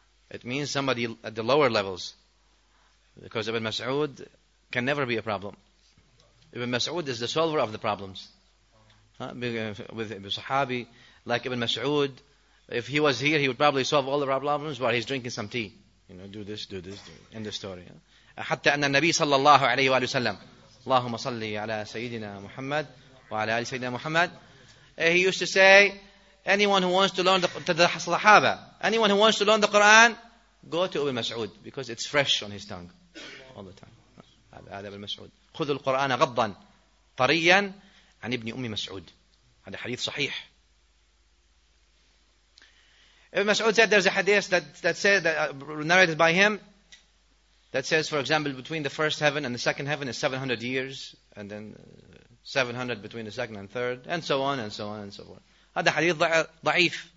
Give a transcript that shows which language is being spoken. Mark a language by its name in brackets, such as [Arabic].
[English] It means somebody at the lower levels. Because Ibn Mas'ud can never be a problem. Ibn Mas'ud is the solver of the problems. With Ibn Sahabi, like Ibn Mas'ud, if he was here, he would probably solve all the problems while he's drinking some tea. You know, do this, end the story. [Arabic] حتى أن النبي صلى الله عليه وآله وسلم اللهم صل على سيدنا محمد وعلى آل سيدنا محمد. [English] He used to say, anyone who wants to learn the Sahaba, anyone who wants to learn the Quran, go to Ibn Mas'ud because it's fresh on his tongue all the time. [Arabic] هذا [English] Ibn Mas'ud. [Arabic] خذ القرآن غضا طريا عن ابن أمي مسعود. هذا حديث صحيح. [English] Ibn Mas'ud said there's a hadith narrated by him that says, for example, between the first heaven and the second heaven is 700 years, and then 700 between the second and third, and so on and so on and so forth. [Arabic] Hada hadith da'if.